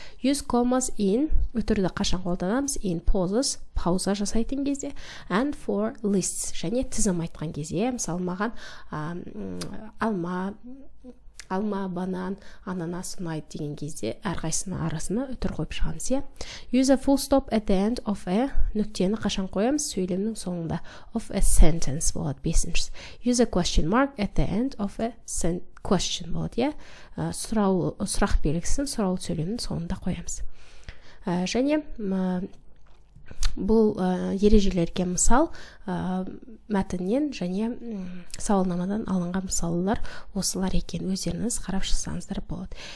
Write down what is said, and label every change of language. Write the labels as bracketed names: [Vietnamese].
[English] Use commas in, [Kazakh] өтірді қашан қолданамыз, [English] in pauses, [Kazakh] пауза жасайтын кезде, [English] and for lists, [Kazakh] және тізім айтқан кезде, мысалы маған алма, алма, банан, ананас ұнайды деген кезде әрқайсына арасына үтір қойып шығамыз, е? [English] Use a full stop at the end of a [Kazakh] нүктені қашан қоямыз сөйлемнің соңында. [English] Of a sentence [Kazakh] болады, бесіншісі. [English] Use a question mark at the end of a question [Kazakh] болады, е? Сұрақ белгісін сұрауыл сөйлемнің соңында қоямыз. Және бұл ережелерге мысал мәтіннен және сауалнамадан алынған мысалылар осылар екен, өздеріңіз қарап шықсаңыздар болады.